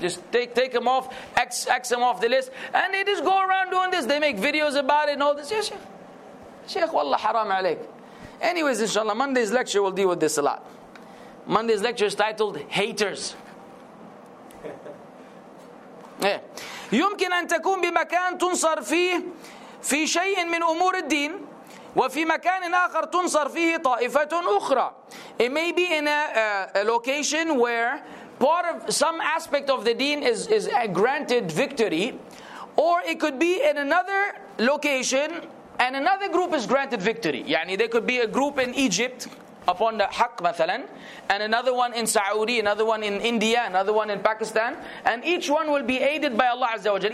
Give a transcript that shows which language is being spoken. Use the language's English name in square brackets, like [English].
[English] Just take him off, X him off the list. And they just go around doing this, they make videos about it and all this. Yeah, Sheikh, [Arabic] wallah haram alaik. [English] Anyways, inshallah, Monday's lecture will deal with this a lot. Monday's lecture is titled Haters. [Arabic] يمكن أن تكون بمكان تنصر فيه في شيء من أمور الدين وفي مكان آخر تنصر فيه طائفة أخرى. [English] It may be in a location where part of some aspect of the deen is granted victory, or it could be in another location and another group is granted victory. يعني there could be a group in Egypt upon the haq, mathalan, and another one in Saudi, another one in India, another one in Pakistan, and each one will be aided by Allah Azza wa Jal.